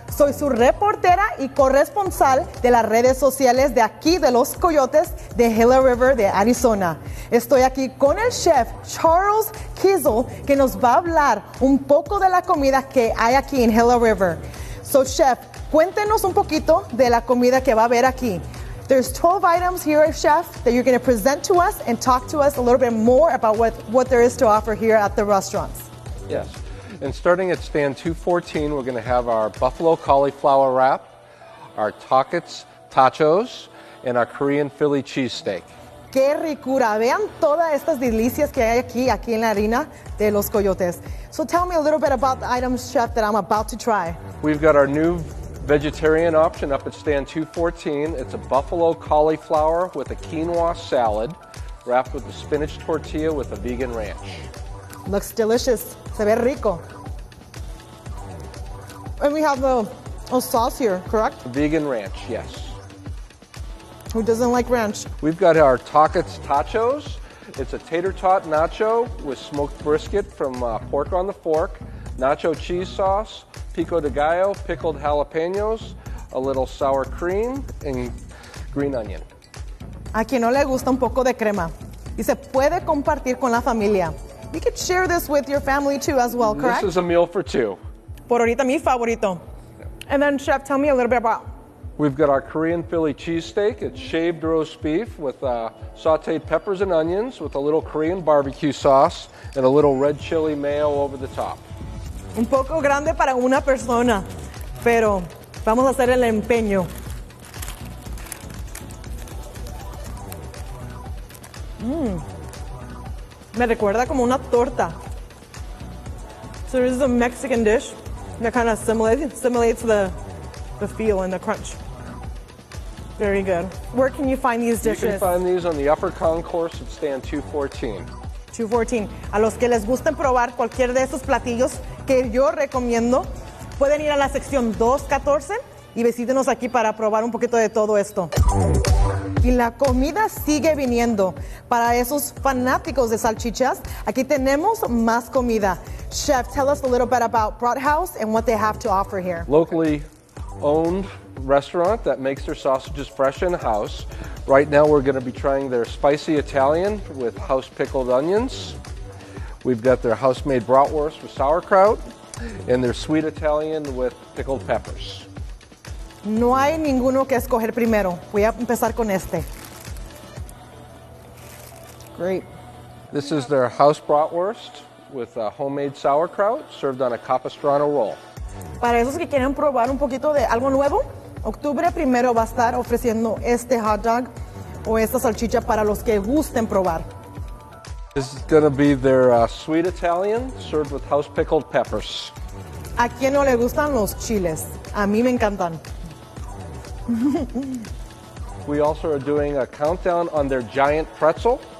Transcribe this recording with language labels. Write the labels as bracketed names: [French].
[Spanish] Soy su reportera y corresponsal de las redes sociales de aquí, de Los Coyotes, de Gila River, de Arizona. Estoy aquí con el chef Charles Kiesel, que nos va a hablar un poco de la comida que hay aquí en Gila River. [English] So, chef, [Spanish] cuéntenos un poquito de la comida que va a haber aquí. [English] There's 12 items here, chef, that you're going to present to us and talk to us a little bit more about what there is to offer here at the restaurants. Yes, and starting at stand 214, we're going to have our buffalo cauliflower wrap, our tockets, tachos, and our Korean Philly cheesesteak. [Spanish] ¡Qué ricura! Vean todas estas delicias que hay aquí en la harina de Los Coyotes. [English] So tell me a little bit about the items, chef, that I'm about to try. We've got our new vegetarian option up at stand 214. It's a buffalo cauliflower with a quinoa salad wrapped with a spinach tortilla with a vegan ranch. Looks delicious. [Spanish] Se ve rico. [English] And we have a sauce here, correct? Vegan ranch, yes. Who doesn't like ranch? We've got our Tockets Tachos. It's a tater tot nacho with smoked brisket from Pork on the Fork, nacho cheese sauce, pico de gallo, pickled jalapenos, a little sour cream, and green onion. [Spanish] A quien no le gusta un poco de crema. Y se puede compartir con la familia. [English] You could share this with your family too as well, correct? This is a meal for two. [Spanish] Por ahorita mi favorito. [English] And then chef, tell me a little bit about. We've got our Korean Philly cheesesteak. It's shaved roast beef with sauteed peppers and onions with a little Korean barbecue sauce and a little red chili mayo over the top. [Spanish] Un poco grande para una persona, pero vamos a hacer el empeño. Mmm. Me recuerda como una torta. [English] So this is a Mexican dish that kind of simulates the feel and the crunch. Very good. Where can you find these dishes? You can find these on the upper concourse at stand 214. 214. [Spanish] A los que les gusten probar cualquier de esos platillos que yo recomiendo, pueden ir a la sección 214 y visítenos aquí para probar un poquito de todo esto. Y la comida sigue viniendo. Para esos fanáticos de salchichas, aquí tenemos más comida. [English] Chef, tell us a little bit about Brathaus and what they have to offer here. Locally owned restaurant that makes their sausages fresh in-house. Right now we're going to be trying their spicy Italian with house pickled onions. We've got their house-made bratwurst with sauerkraut and their sweet Italian with pickled peppers. [Spanish] No hay ninguno que escoger primero. Voy a empezar con este. [English] Great. This is their house bratwurst with a homemade sauerkraut served on a capistrano roll. [Spanish] Para esos que quieren probar un poquito de algo nuevo, octubre primero va a estar ofreciendo este hot dog o esta salchicha para los que gusten probar. [English] This is going to be their sweet Italian served with house pickled peppers. [Spanish] ¿A quién no le gustan los chiles? A mí me encantan. [English] We also are doing a countdown on their giant pretzel.